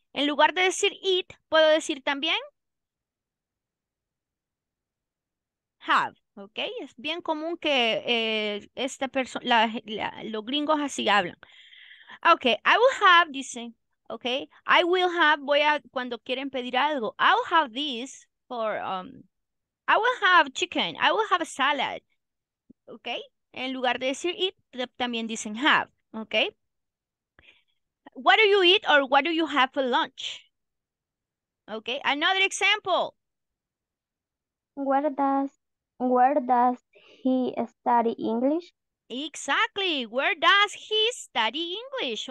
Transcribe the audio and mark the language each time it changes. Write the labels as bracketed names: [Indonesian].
[Spanish] En lugar de decir eat, puedo decir también have. ¿Ok? Es bien común que esta persona, los gringos así hablan. [English] Ok, I will have, [Spanish] dicen. [English] ¿Ok? I will have, [Spanish] voy a, cuando quieren pedir algo. [English] I will have this for, I will have chicken. I will have a salad. ¿Ok? [Spanish] En lugar de decir eat, también dicen have. Okay. [English] What do you eat or what do you have for lunch? Okay. Another example. Where does he study English? Exactly. Where does he study English?